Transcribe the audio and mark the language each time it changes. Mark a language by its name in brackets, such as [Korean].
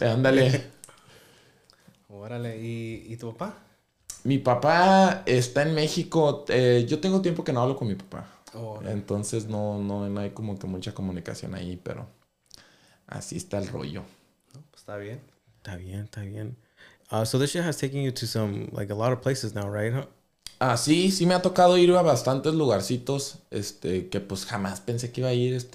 [Spanish] Ándale. Órale. ¿Y tu papá? Mi papá está en México. Yo tengo tiempo que no hablo con mi papá. Oh, okay. Entonces no hay como que mucha comunicación ahí, pero así está el rollo. No, pues está bien. Está bien, está bien. [English] So this shit has taken you to some, like, a lot of places now, right? [Spanish] Sí me ha tocado ir a bastantes lugarcitos, que pues jamás pensé que iba a ir.